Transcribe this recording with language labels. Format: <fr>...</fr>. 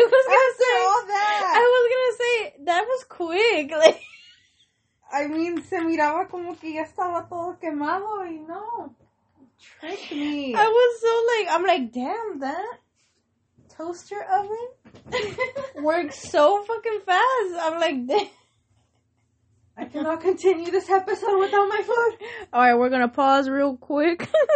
<en>I was gonna say, that was quick. Like, I mean,</en> <es>se miraba como que ya estaba todo quemado y no.</es> <en>Trick me. I was so like, I'm like, damn, that toaster oven works so fucking fast. I'm like, damn. I cannot continue this episode without my food. All right, we're going to pause real quick.</en>